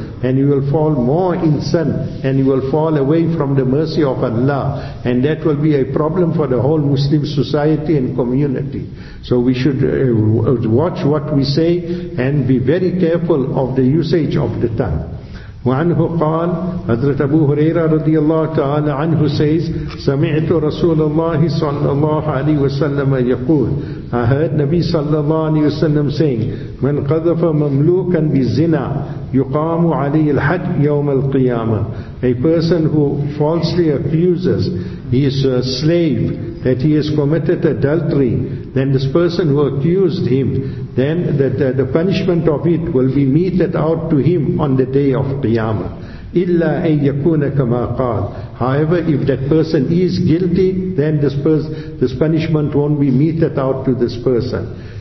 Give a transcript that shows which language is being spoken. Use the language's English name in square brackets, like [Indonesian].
[English] And you will fall more in sin, and you will fall away from the mercy of Allah. And that will be a problem for the whole Muslim society and community. So we should watch what we say and be very careful of the usage of the tongue. [Arabic] وعنه قال حضرت أبو هريرة رضي الله تعالى عنه [English] says [Arabic] سمعت رسول الله صلى الله عليه وسلم يقول [English] I heard Nabi [Arabic] صلى الله عليه وسلم [English] saying [Arabic] من قذف مملوكا بالزنا يقام عليه الحد يوم القيامة. [English] A person who falsely accuses his slave that he has committed adultery, then this person who accused him, then that the punishment of it will be meted out to him on the day of Qiyamah. [Arabic] Illa an yakuna kama qal. [English] However, if that person is guilty, then this punishment won't be meted out to this person.